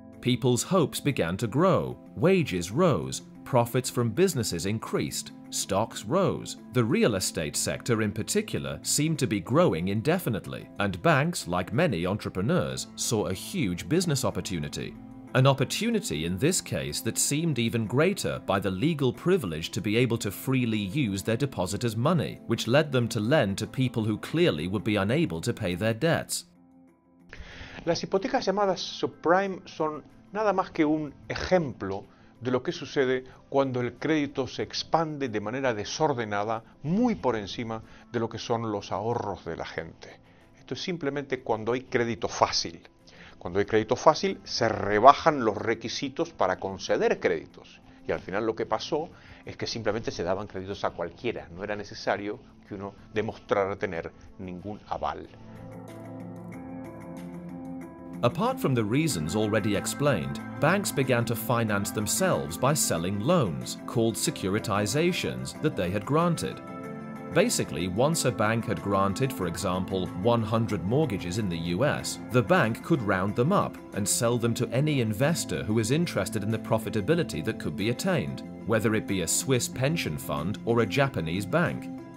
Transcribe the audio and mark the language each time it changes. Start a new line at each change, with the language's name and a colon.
English: People's hopes began to grow, wages rose, profits from businesses increased, stocks rose, the real estate sector in particular seemed to be growing indefinitely, and banks, like many entrepreneurs, saw a huge business opportunity. An opportunity in this case that seemed even greater by the legal privilege to be able to freely use their depositors' money, which led them to lend to people who clearly would be unable to pay their debts.
Spanish: Las hipotecas llamadas subprime son nada más que un ejemplo de lo que sucede cuando el crédito se expande de manera desordenada, muy por encima de lo que son los ahorros de la gente. Esto es simplemente cuando hay crédito fácil. Cuando hay crédito fácil, se rebajan los requisitos para conceder créditos. Y al final lo que pasó es que simplemente se daban créditos a cualquiera. No era necesario que uno demostrara tener ningún aval.
English: Apart from the reasons already explained, banks began to finance themselves by selling loans, called securitizations, that they had granted. Basically, once a bank had granted, for example, 100 mortgages in the US, the bank could round them up and sell them to any investor who is interested in the profitability that could be attained, whether it be a Swiss pension fund or a Japanese bank.